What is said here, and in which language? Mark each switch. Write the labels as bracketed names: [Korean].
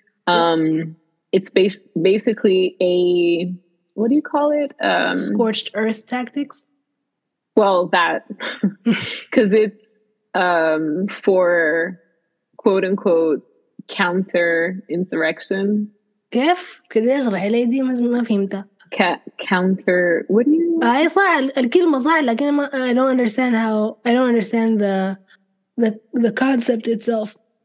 [English] It's basically a, what do you call it? Scorched earth tactics? Well, that, because it's for quote unquote counter insurrection. [Arabic] كيف كده اشرح لي دي ما فهمتها [English] counter what do you [Arabic] اي صح الكلمه صح لكن [English] I don't understand the concept itself